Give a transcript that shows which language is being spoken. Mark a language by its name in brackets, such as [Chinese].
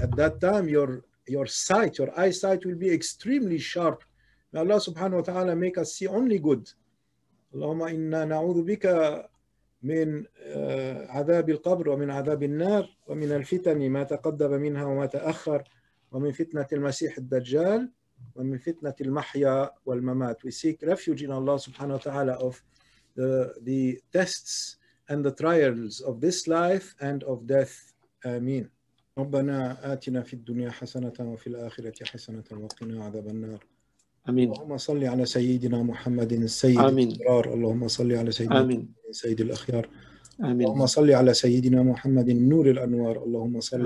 [English] At that time, your sight, your eyesight will be extremely sharp. May Allah subhanahu wa ta'ala make us see only good. [Arabic] اللهم إنا نعوذ بك من عذاب القبر ومن عذاب النار ومن الفتن ما تقدم منها وما تأخر ومن فتنة المسيح الدجال ومن فتنة المحيا والممات. [English] We seek refuge in Allah subhanahu wa ta'ala of the tests and the trials of this life and of death. Ameen. [Arabic] ربنا آتنا في الدنيا حسنة وفي الآخرة حسنة وقنا عذاب النار. آمين. اللهم صل على سيدنا محمد السيد الأبرار. اللهم صل على سيدنا آمين. سيد الأخيار. آمين. اللهم صل على سيدنا محمد نور الأنوار. اللهم صل